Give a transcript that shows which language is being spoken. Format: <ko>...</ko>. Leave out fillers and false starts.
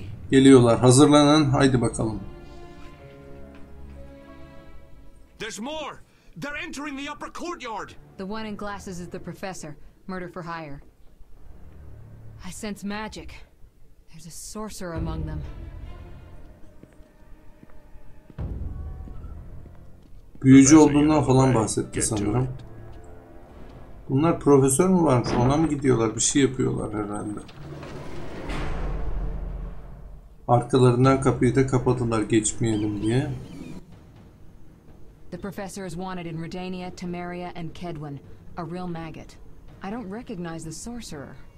<tr>Geliyorlar, hazırlanın, haydi bakalım.</tr> <en>There's more. They're entering the upper courtyard. The one in glasses is the professor, murder for hire. I sense magic. There's a sorcerer among them.</en> <tr>Büyücü olduğundan falan bahsetti sanırım. Bunlar profesör mü varmış? Ona mı gidiyorlar? Bir şey yapıyorlar herhalde. Arkalarından kapıyı da kapadılar geçmeyelim diye.</tr> <en>The professor is wanted in Redania, Temeria and Kedwin. A real maggot. I don't recognize the sorcerer.</en>